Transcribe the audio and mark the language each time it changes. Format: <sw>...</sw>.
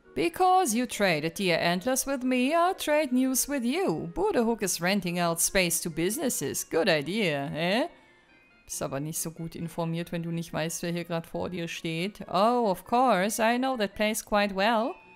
<en>Because you traded dear antlers with me, I'll trade news with you. Budehook is renting out space to businesses. Good idea, eh?</en> <de>Bist aber nicht so gut informiert, wenn du nicht weißt, wer hier gerade vor dir steht.</de> <en>Oh, of course, I know that place quite well.</en>